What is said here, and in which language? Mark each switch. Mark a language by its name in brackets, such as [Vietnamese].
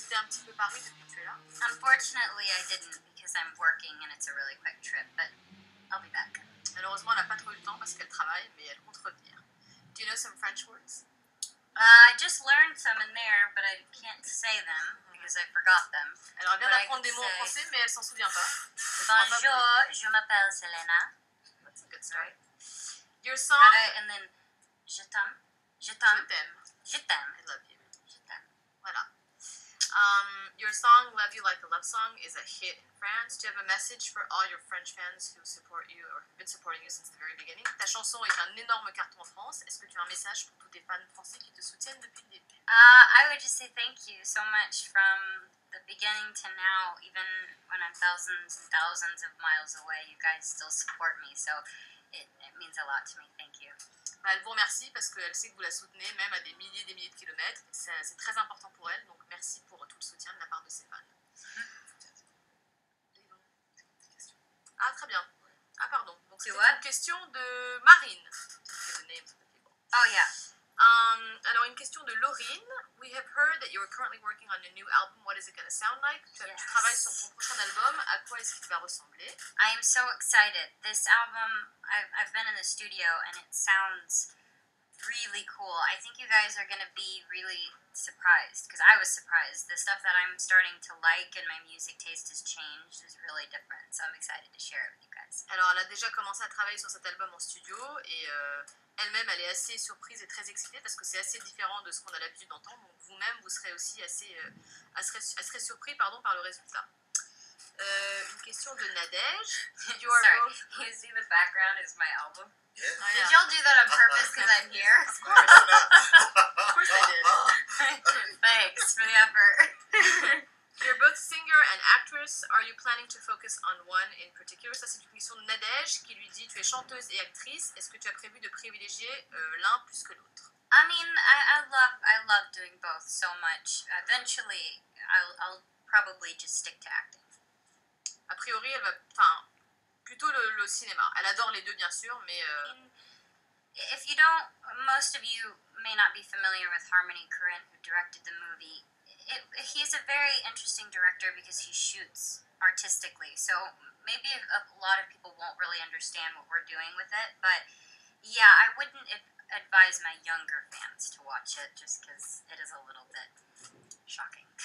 [English] Unfortunately, I didn't because I'm working and it's a really quick trip, but I'll be back. [French] Malheureusement, elle n'a pas trop eu le temps parce qu'elle travaille, mais elle compte revenir. [English] Do you know some French words? I just learned some in there, but I can't say them because I forgot them. [French] Elle aurait bien d'apprendre des mots en français, mais elle s'en souvient pas. Bonjour, je m'appelle Selena. [English] That's a good story. Your song... How do I, and then, [French] je t'aime. Je t'aime. Je t'aime. Je t'aime. [English] I love you. [French] Je t'aime. Voilà. [English] Your song Love You Like a Love Song is a hit in France. Do you have a message for all your French fans who support you or have been supporting you since the very beginning? [French] Ta chanson est un énorme carton en France. Est-ce que tu as un message pour tous tes fans français qui te soutiennent depuis le début? [English] I would just say thank you so much from the beginning to now, even when I'm thousands and thousands of miles away, you guys still support me. So it means a lot to me. Thank you. [French] Bah, elle vous remercie parce qu'elle sait que vous la soutenez même à des milliers de kilomètres. C'est très important pour elle, donc merci pour tout le soutien de la part de ses fans. Mm-hmm. Ah, très bien. Ah, pardon. Donc, c'est une question de Marine. [English] Oh, yeah. [French] Alors, une question de Laurine. [English] We have heard that you are currently working on a new album. What is it going to sound like? Yes. [French] Tu travailles sur ton prochain album. À quoi est-ce qu'il va ressembler? [English] I am so excited. This album, I've been in the studio and it sounds really cool. I think you guys are going to be really surprised because I was surprised. The stuff that I'm starting to like and my music taste has changed is really different. So I'm excited to share it with you guys. [French] Alors, elle a déjà commencé à travailler sur cet album en studio et... Elle-même, elle est assez surprise et très excitée parce que c'est assez différent de ce qu'on a l'habitude d'entendre. Donc vous-même, vous serez aussi assez surpris pardon, par le résultat. Une question de Nadège. [English] Did you Sorry, both... you see the background is my album? Yeah. Did y'all do that on purpose because I'm here? Of course I did. Thanks for the effort. You're both singer and actress. Are you planning to focus on one in particular? [French] Ça, c'est une question de Nadège qui lui dit tu es chanteuse et actrice. Est-ce que tu as prévu de privilégier l'un plus que l'autre? [English] I mean, I love doing both so much. Eventually, I'll probably just stick to acting. [French] A priori, elle va... Enfin, plutôt le cinéma. Elle adore les deux, bien sûr, mais... [English] If you don't... Most of you may not be familiar with Harmony Korine, who directed the movie, he's a very interesting director because he shoots artistically. So maybe a lot of people won't really understand what we're doing with it. But yeah, I wouldn't advise my younger fans to watch it just because it is a little bit shocking.